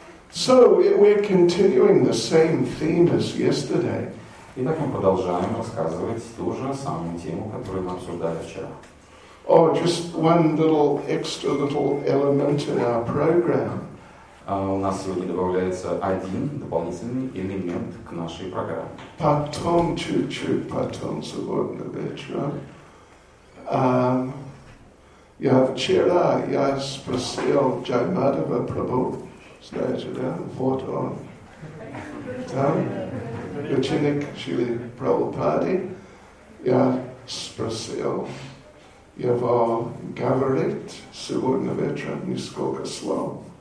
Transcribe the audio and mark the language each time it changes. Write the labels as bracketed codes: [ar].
[en] So we're continuing the same theme as yesterday. [ru] Итак, мы продолжаем рассказывать ту же самую тему, которую мы обсуждали вчера. [en] Oh, just one little extra little element in our program. [ru] У нас сегодня добавляется один дополнительный элемент к нашей программе. Потом чуть-чуть, потом сегодня вечером. Я вчера я спросил Джай Мадхава Прабху, знаете, да, вот он, там, ученик Шили Прабхупады, я спросил его говорить сегодня вечером несколько слов.